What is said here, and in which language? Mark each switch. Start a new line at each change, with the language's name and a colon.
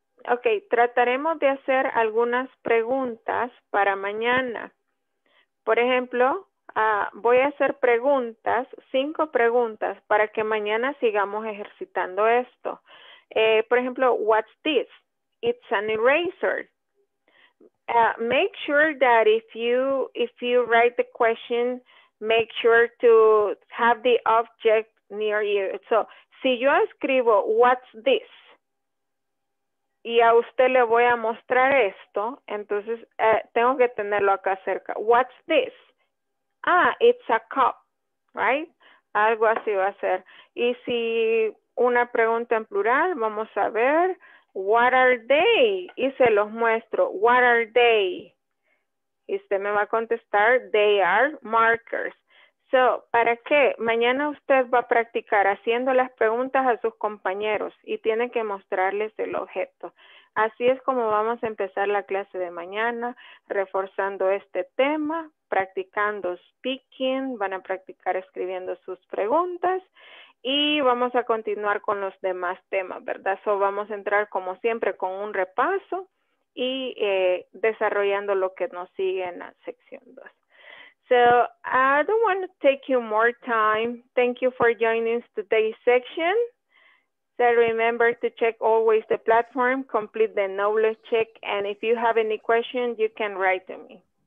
Spanish: Ok, trataremos de hacer algunas preguntas para mañana. Por ejemplo, voy a hacer preguntas, 5 preguntas, para que mañana sigamos ejercitando esto. Por ejemplo,
English: what's this? It's an eraser. Make sure that if you write the question, make sure to have the object near you.
Spanish: So, si yo escribo,
English: what's this?
Spanish: Y a usted le voy a mostrar esto, entonces tengo que tenerlo acá cerca.
English: What's this? Ah, it's a cup, right?
Spanish: Algo así va a ser. Y si una pregunta en plural, vamos a ver.
English: What are they?
Spanish: Y se los muestro.
English: What are they?
Spanish: Y usted me va a contestar,
English: they are markers.
Spanish: So, ¿para qué? Mañana usted va a practicar haciendo las preguntas a sus compañeros y tiene que mostrarles el objeto. Así es como vamos a empezar la clase de mañana, reforzando este tema, practicando speaking, van a practicar escribiendo sus preguntas y vamos a continuar con los demás temas, ¿verdad? So, vamos a entrar como siempre con un repaso y desarrollando lo que nos sigue en la sección 2.
English: So, I don't want to take you more time. Thank you for joining today's section. So, remember to check always the platform, complete the knowledge check, and if you have any questions, you can write to me.